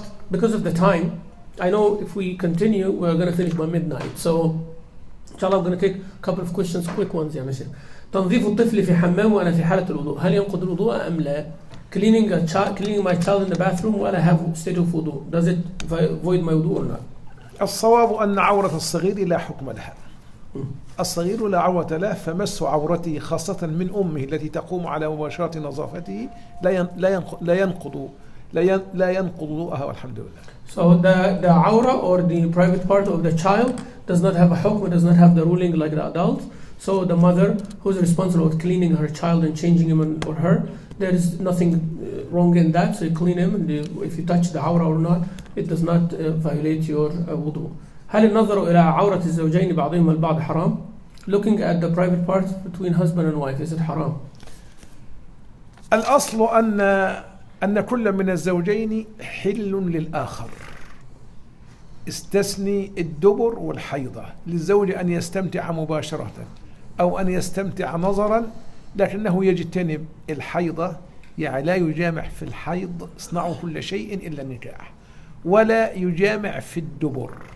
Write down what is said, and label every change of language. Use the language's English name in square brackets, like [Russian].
[English] Because of the time, I know if we continue, we're going to finish by midnight. So inshallah, I'm going to take a couple of questions, quick ones. Ya Sheikh, [Arabic] تنظيف الطفل في حمام وأنا في حالة الوضوء هل ينقض الوضوء أم لا؟ [English] Cleaning my child in the bathroom while I have state of wudu, does it void my wudu or not? [Arabic] الصواب أن عورة الصغير لا حكم لها. الصغير لا عورة له، فمس عورته خاصة من أمه التي تقوم على مباشرة نظافته لا ينقض وضوءها والحمد لله. [English] So the awra or the private part of the child does not have a hukm, does not have the ruling like the adult. So the mother who is responsible for cleaning her child and changing him or her, there is nothing wrong in that. So you clean him, and if you touch the awra or not, it does not violate your wudu. [Arabic] هل النظر إلى عورة الزوجين بعضهم البعض حرام؟ [English] Looking at the private parts between husband and wife, is it haram? [Arabic] الأصل أن كل من الزوجين حل للآخر، استثني الدبر والحيضة، للزوج أن يستمتع مباشرة أو أن يستمتع نظرا، لكنه يجتنب الحيضة، يعني لا يجامع في الحيض، اصنعوا كل شيء إلا النكاح، ولا يجامع في الدبر،